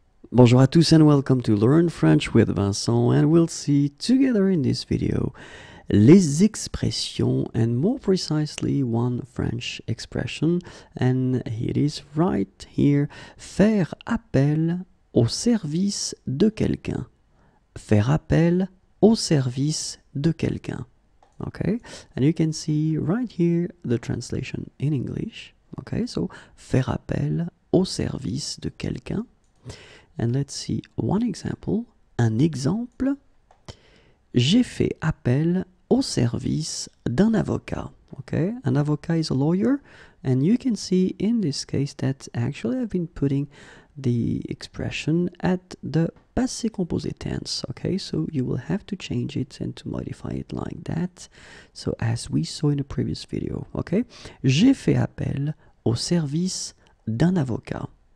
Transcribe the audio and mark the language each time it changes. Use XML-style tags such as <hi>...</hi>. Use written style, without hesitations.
<fr>Bonjour à tous</fr> <en>and welcome to Learn French with Vincent, and we'll see together in this video les expressions, and more precisely one French expression, and it is right here,</en> <fr>faire appel au service de quelqu'un. Faire appel au service de quelqu'un.</fr> <en>Okay, and you can see right here the translation in English. Okay, so</en> <fr>faire appel au service de quelqu'un.</fr> <en>And let's see one example.</en> <fr>Un exemple, j'ai fait appel au service d'un avocat.</fr> <en>Okay, an avocat is a lawyer, and you can see in this case that actually I've been putting the expression at the passé composé tense. Okay, so you will have to change it and to modify it like that. So as we saw in the previous video, okay,</en> <fr>j'ai fait appel au service d'un avocat.</fr>